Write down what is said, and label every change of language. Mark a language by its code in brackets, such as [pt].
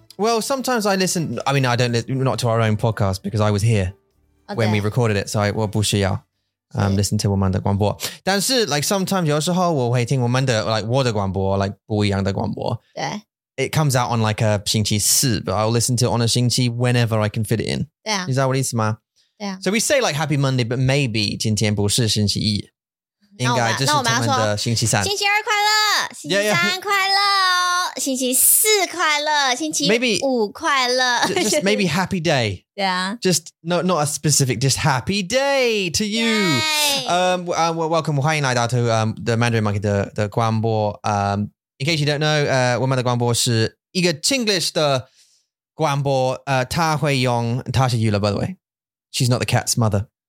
[en] Well, sometimes I listen, I mean, I don't listen, not to our own podcast, because I was here when we recorded it, so I [zh] 我不需要、 [en] listen to [zh] 我们的广播。但是 [en] like sometimes [zh] 有时候我会听我们的 like 我的广播 like 不一样的广播。对。 [en] It comes out on like a 星期四, but I'll listen to it on a 星期 whenever I can fit it in. [zh] 对啊。 [en] Is that what it is, ma? [zh] 对啊。 [en] So we say like happy Monday, but maybe [zh] 今天不是星期一。应该就是他们的星期三。星期二快乐，星期三快乐。星期四快乐，星期五快乐。 [en] Just maybe happy day. Yeah. Just not a specific, just happy day to you. Welcome, [zh] 欢迎来到 [en] to, the Mandarin Monkey 的广播。 In case you don't know, [zh] 我们的广播是一个 Chinglish 的广播。他会用，他是 [en] Yula, by the way. She's not the cat's mother.